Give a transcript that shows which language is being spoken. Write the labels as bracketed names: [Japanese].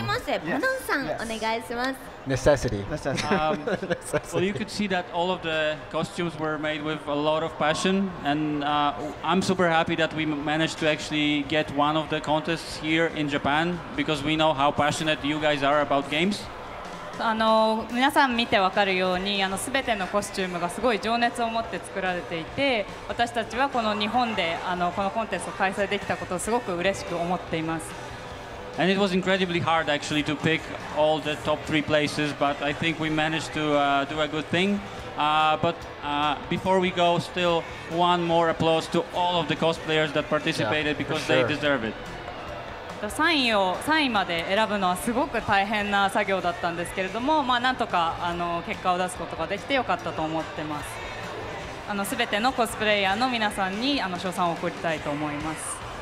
[English] Yes. Yes. Necessity. Necessity. Well, you could see that all of the costumes were made with a lot of passion, and I'm super happy that we managed to actually get one of the contests here in Japan, because we know how passionate you guys are about games. [Japanese] あの皆さん見てわかるようにあの全てのコスチュームがすごい情熱を持って作られていて私たちはこの日本であのこのコンテストを開催できたことをすごく嬉しく思っています。 [English] And it was incredibly hard actually to pick all the top three places, but I think we managed to do a good thing. But before we go, still one more applause to all of the cosplayers that participated. Yeah, because sure. They deserve it. [Japanese] 3位まで選ぶのはすごく大変な作業だったんですけれども、まあ、なんとかあの結果を出すことができてよかったと思ってます。あの全てのコスプレイヤーの皆さんにあの賞賛を送りたいと思います。